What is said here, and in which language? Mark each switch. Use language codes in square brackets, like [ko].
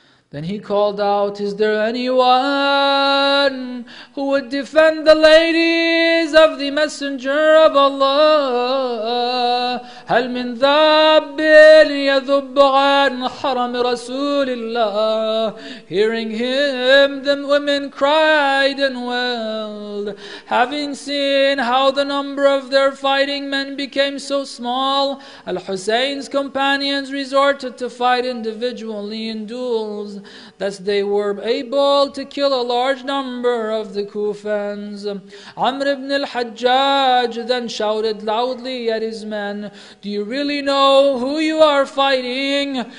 [en] Then he called out, "Is there anyone who would defend the ladies of the Messenger of Allah? [ar] هَلْ مِنْ ذَابٍ يَذُبُّ عَنْ حَرَمِ رَسُولِ اللَّهِ [en] Hearing him, the women cried and wailed. Having seen how the number of their fighting men became so small, Al-Husayn's companions resorted to fight individually in duels. Thus they were able to kill a large number of the Kufans. Amr ibn al-Hajjaj then shouted loudly at his men, "Do you really know who you are fighting?